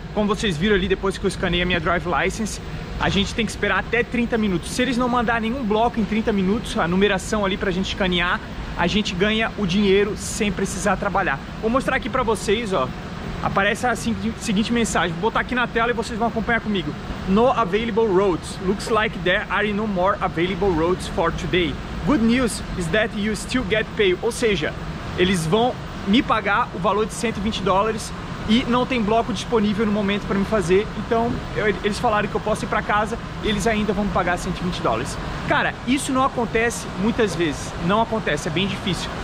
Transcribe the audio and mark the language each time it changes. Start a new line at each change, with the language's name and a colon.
Portuguese: Como vocês viram ali, depois que eu escanei a minha drive license, a gente tem que esperar até 30 minutos. Se eles não mandar nenhum bloco em 30 minutos, a numeração ali pra gente escanear, a gente ganha o dinheiro sem precisar trabalhar. Vou mostrar aqui pra vocês, ó. Aparece a seguinte mensagem. Vou botar aqui na tela e vocês vão acompanhar comigo.
English: No available roads. Looks like there are no more available roads for today. Good news is that you still get paid.
Portuguese: Ou seja, eles vão me pagar o valor de $120 e não tem bloco disponível no momento para me fazer. Então, eles falaram que eu posso ir para casa e eles ainda vão me pagar $120. Cara, isso não acontece muitas vezes. Não acontece, é bem difícil.